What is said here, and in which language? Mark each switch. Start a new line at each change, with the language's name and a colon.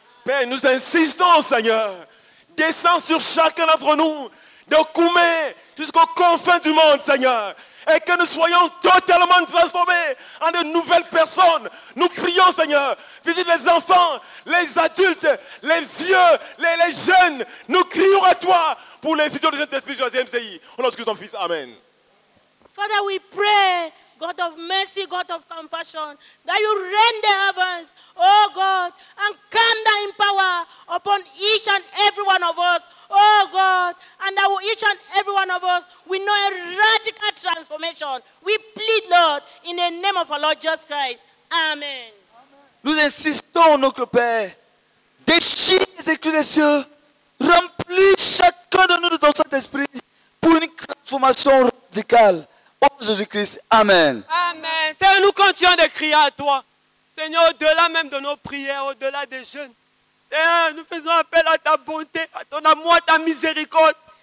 French: Père, nous insistons, Seigneur, descends sur chacun d'entre nous, de Koumé jusqu'aux confins du monde, Seigneur, et que nous soyons totalement transformés en de nouvelles personnes. Nous prions, Seigneur, visite les enfants, les adultes, les vieux, les jeunes. Nous crions à toi pour l'infusion du Saint-Esprit sur la CMCI. Au nom de ton Fils, amen.
English: Father, we pray, God of mercy, God of compassion, that you rend the heavens, oh God, and come down in power upon each and every one of us, oh God, and that each and every one of us will know a radical transformation. We plead, Lord, in the name of our Lord Jesus Christ. Amen.
French: Nous insistons, notre Père, déchire les écrits des cieux, remplis chacun de nous de ton Saint-Esprit pour une transformation radicale. Jésus-Christ, amen. Amen. Seigneur, nous continuons de crier à toi. Seigneur, au-delà même de nos prières, au-delà des jeûnes. Seigneur, nous faisons appel à ta bonté, à ton amour, à ta miséricorde.